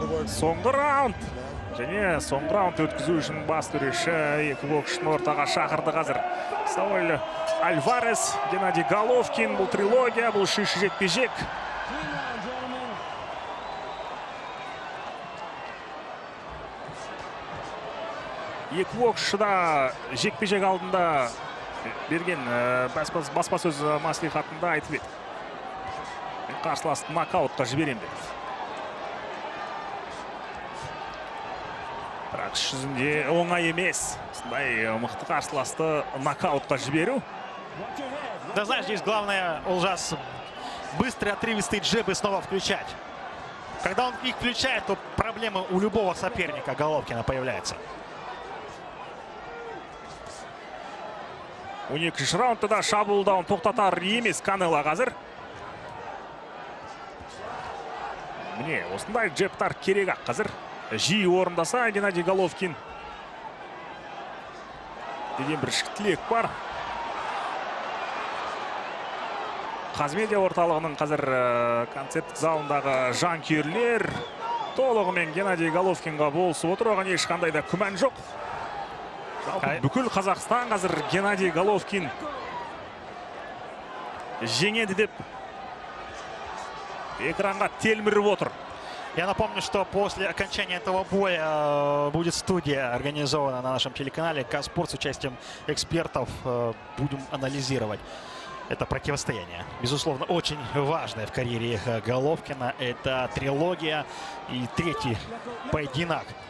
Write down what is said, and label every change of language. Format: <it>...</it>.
<kk>Соңғы раунд. Және соңғы раунд өткізу үшін бас төреші екі боксшыны ортаға шақырды қазір. Сауль Альварес, Геннадий Головкин. Бұл трилогия, бұл үшінші жекпе-жек. Екі боксшы да жекпе-жек алдында берген баспасөз мәслихатында айтып еді. Мен қарсыласты нокаутқа жіберемін деп. Бірақ іс жүзінде оңай емес. Сондай мықты қарсыласты нокаутқа жіберу.</kk> <ru>Да знаешь, здесь главное, Олжас, быстрые отрывистые джебы снова включать. Когда он их включает, то проблемы у любого соперника Головкина появляются.</ru> <kk>12-ші раундта шабуылдауын тоқтатар емес Канело қазір. Міне, осындай джептар керек ақ қазір. Жиі орындаса Геннадий Головкин. Деген бір шықтілек бар. Қазмедия орталығының қазір концерттік залындағы жанкүйерлер толығымен Геннадий Головкинға болысып отыр. Оған ешқандай да күмән жоқ. Бүкіл Қазақстан қазір Геннадий Головкин жеңеді деп экранға телміріп отыр.</kk> <ru>Я напомню, что после окончания этого боя будет студия организована на нашем телеканале «Казспорт» с участием экспертов. Будем анализировать Это противостояние, безусловно, очень важное в карьере Головкина. Это трилогия и третий поединок.</ru>